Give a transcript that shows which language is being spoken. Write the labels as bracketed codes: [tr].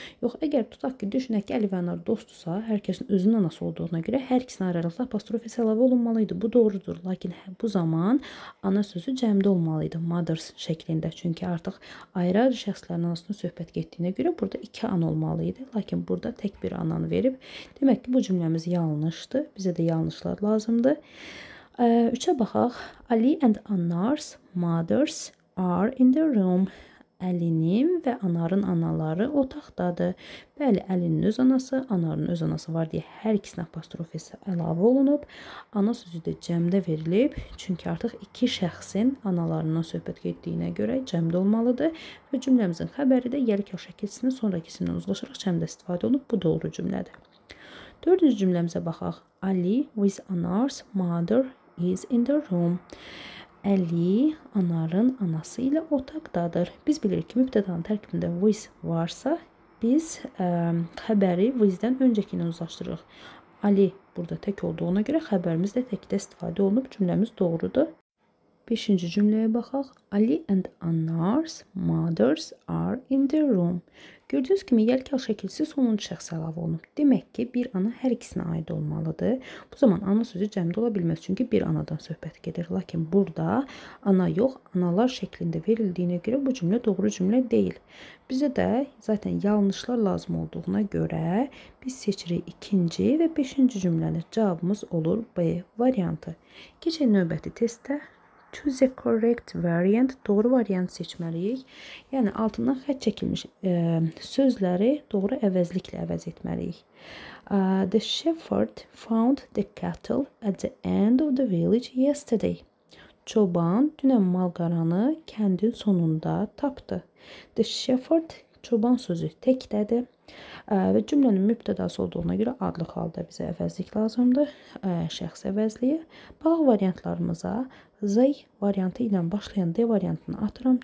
[az] Yox, əgər tutaq ki, düşünək ki, Əli və Anar dostdursa, hər kəsin özünün anası olduğuna görə hər ikisinə aralıqda apostrof əlavə olunmalı idi. Bu doğrudur, lakin bu zaman ana sözü cəmdə olmalı idi, mothers şəklində. Çünki artıq ayrı-ayrı şəxslərin anasına söhbət getdiyinə görə burada iki an olmalı idi. Lakin burada tək bir ananı verib. Demək ki, bu cümləmiz yanlışdır. Bizə də yanlışlar lazımdır. Üçə baxaq. [en] Ali and Anar's mothers are in the room. [az] Əlinin və Anarın anaları otaqdadır. Bəli, Əlinin öz anası, Anarın öz anası var deyə hər ikisinin apostrofisi əlavə olunub. Ana sözü də cəmdə verilib. Çünki artıq iki şəxsin analarından söhbət getdiyinə görə cəmdə olmalıdır. Və cümləmizin xəbəri də yəni ki, şəkilsinin sonrakisindən uzlaşaraq cəmdə istifadə olunub. Bu doğru cümlədir. Dördüncü cümləmizə baxaq. [en] Ali with Anar's mother is in the room. [az] Əli Anarın anası ilə otaqdadır. Biz bilirik ki, mübtədanın tərkibində with varsa, biz xəbəri with-dən öncəki ilə uzlaşdırırıq. Ali burada tək olduğuna görə xəbərimiz də təkdə istifadə olunub, cümləmiz doğrudur. 5-ci cümləyə baxaq. [en] Ali and Anar's mothers are in the room. [az] Gördüyünüz kimi, yəlkəl şəkilsi sonuncu şəxs əlavə olunub. Demək ki, bir ana hər ikisinə aid olmalıdır. Bu zaman ana sözü cəmdə ola bilməz, çünki bir anadan söhbət gedir. Lakin burada ana yox, analar şəklində verildiyinə görə bu cümlə doğru cümlə deyil. Bizə də zaten yanlışlar lazım olduğuna görə biz seçirik 2-ci və 5-ci cümləni. Cavabımız olur B variantı. Keçək növbəti testdə. [en] Choose the correct variant. [az] Doğru variant seçməliyik. Yəni, altından xətt çəkilmiş sözləri doğru əvəzliklə əvəz etməliyik. [en] The shepherd found the cattle at the end of the village yesterday. [az] Çoban dünən malqaranı kəndin sonunda tapdı. The shepherd, çoban sözü təkdədir. Və cümlənin mübtədası olduğuna görə adlı halda bizə əvəzlik lazımdır. Şəxs əvəzliyi. Bağ variantlarımıza they variantı ilə başlayan D variantını atıram.